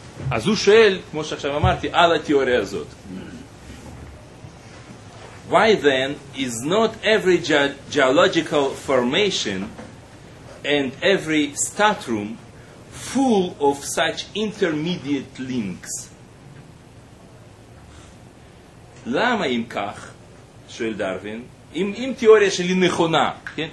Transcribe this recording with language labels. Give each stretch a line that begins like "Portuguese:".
Hebrew: אז הוא שואל, כמו שעכשיו אמרתי, על התיאוריה הזאת.
English: Why then is not every geological formation and every stratum full of such intermediate links?
Hebrew: למה אם כך, שואל דרווין, אם תיאוריה שלי נכונה, כן?